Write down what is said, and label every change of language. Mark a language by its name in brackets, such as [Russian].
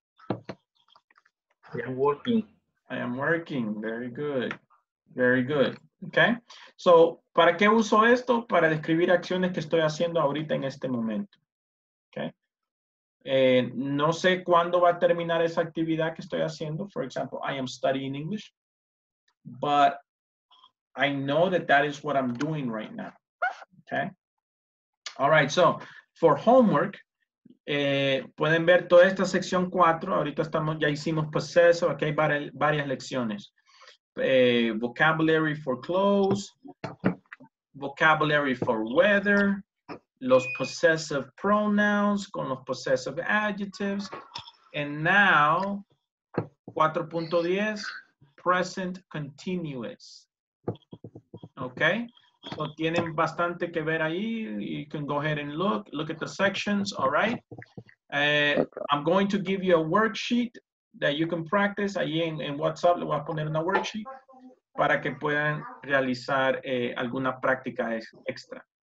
[English] I am working. I am working. Very good. Very good. Okay. [Spanish] So, ¿para qué uso esto? Para describir acciones que estoy haciendo ahorita en este momento. Okay. No sé cuándo va a terminar esa actividad que estoy haciendo. [English] For example, I am studying English, but I know that that is what I'm doing right now. Okay. All right. So for homework, [Spanish] pueden ver toda esta sección 4. Ahorita estamos, ya hicimos proceso. Aquí hay varias lecciones. [English] Vocabulary for clothes, vocabulary for weather, los possessive pronouns con los possessive adjectives, and now 4.10 present continuous. [Spanish] Okay, so tienen bastante que ver ahí. [English] You can go ahead and look at the sections. All right, I'm going to give you a worksheet that you can practice ahí en WhatsApp. [Spanish] Le voy a poner una worksheet para que puedan realizar alguna práctica extra.